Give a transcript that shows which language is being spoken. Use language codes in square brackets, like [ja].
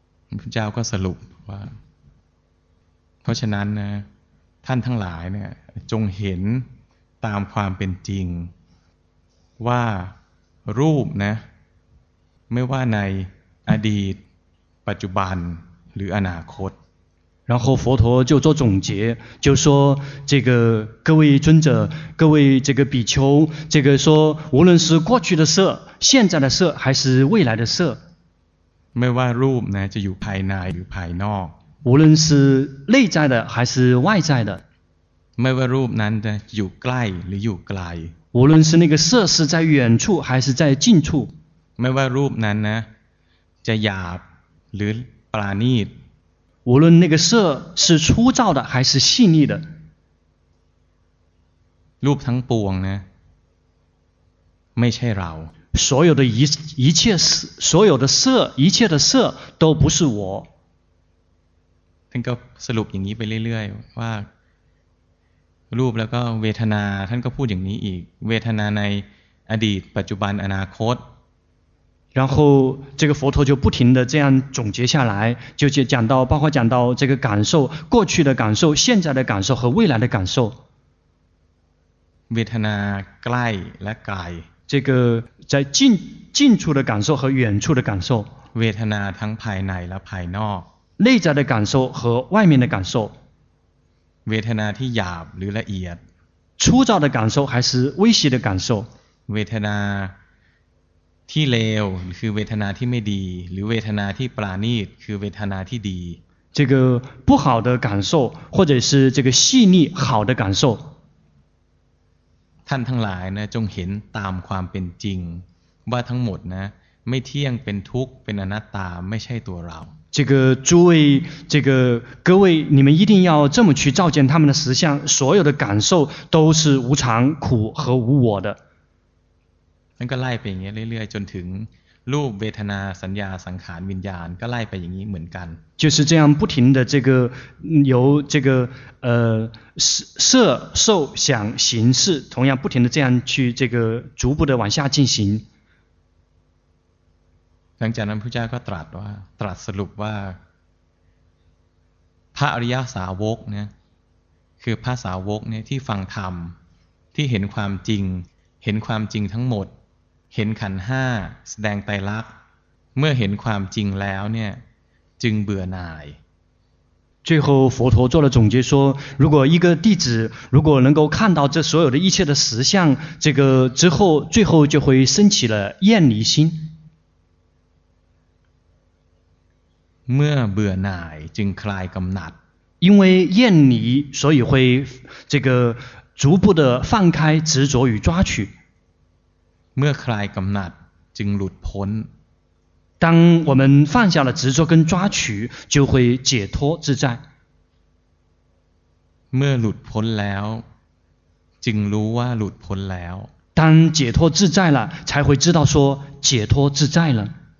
[th] พระเจ้าก็สรุปว่าเพราะฉะนั้นนะท่านทั้งหลายเนี่ยจงเห็นตามความเป็นจริงว่ารูปนะไม่ว่าในอดีตปัจจุบันหรืออนาคต [zh] 然后佛陀就做总结就说这个各位尊者各位这个比丘这个说无论是过去的色现在的色还是未来的色 [th] ไม่ว่ารูปนะจะอยู่ภายในหรือภายนอก [zh] 无论是内在的还是外在的 [th] ไม่ว่ารูปนั้นจะอยู่ใกล้หรืออยู่ไกล [zh] 无论是那个色是在远处还是在近处 [th] ไม่ว่ารูปนั้นนะจะหยาบหรือปราณีต [zh] 无论那个色是粗糙的还是细腻的 [th] รูปทั้งปวงนะไม่ใช่เรา [zh] 所有的 一切所有的色一切的色都不是我 [th] ท่านก็สรุปอย่างนี้ไปเรื่อยๆว่ารูปแล้วก็เวทนาท่านก็พูดอย่างนี้อีกเวทนาในอดีตปัจจุบันอนาคต [zh] 然后这个佛陀就不停的这样总结下来就讲到包括讲到这个感受过去的感受现在的感受和未来的感受 [th] เวทนาใกล้และไกล [zh] 这个在近处的感受和远处的感受 [th] เวทนาทั้งภายในและภายนอก [zh] 内在的感受和外面的感受 [th] เวทนาที่หยาบหรือละเอียด [zh] 粗糙的感受还是微细的感受 [th] เวทนาที่เลวคือเวทนาที่ไม่ดีหรือเวทนาที่ปราณีตคือเวทนาที่ดี [zh] 这个不好的感受或者是这个细腻好的感受 [th] ท่านทั้งหลายนะจงเห็นตามความเป็นจริงว่าทั้งหมดนะไม่เที่ยงเป็นทุกข์เป็นอนัตตาไม่ใช่ตัวเรา [zh] 这个诸位这个各位你们一定要这么去照见他们的实相所有的感受都是无常苦和无我的 [th] นั่นก็ไล่ไปอย่างเงี้ยเรื่อยๆจนถึงรูปเวทนาสัญญาสังขารวิญญาณก็ไล่ไปอย่างนี้เหมือนกัน [zh] 就是这样不停的这个由这个色受想行识同样不停的这样去这个逐步的往下进行 [th] หลังจากนั้นพุทธเจ้าก็ตรัสสรุปว่าพระอริยสาวกเนี่ยคือพระสาวกเนี่ยที่ฟังธรรมที่เห็นความจริงเห็นความจริงทั้งหมดเห็นขันห้าแสดงไตรลักษณ์เมื่อเห็นความจริงแล้วเนี่ยจึงเบื่อหน่าย [zh] 最后佛陀做了总结说如果一个弟子如果能够看到这所有的一切的实相这个之后最后就会升起了厌离心 [th] เมื่อเบื่อหน่ายจึงคลายกำหนัด [zh] 因为厌离所以会这个逐步的放开执着与抓取 [th] เมื่อคลายกำหนัดจึงหลุดพ้น [zh] 当我们放下了执着跟抓取就会解脱自在 [th] เมื่อหลุดพ้นแล้วจึงรู้ว่าหลุดพ้นแล้ว [zh] 当解脱自在了才会知道说解脱自在了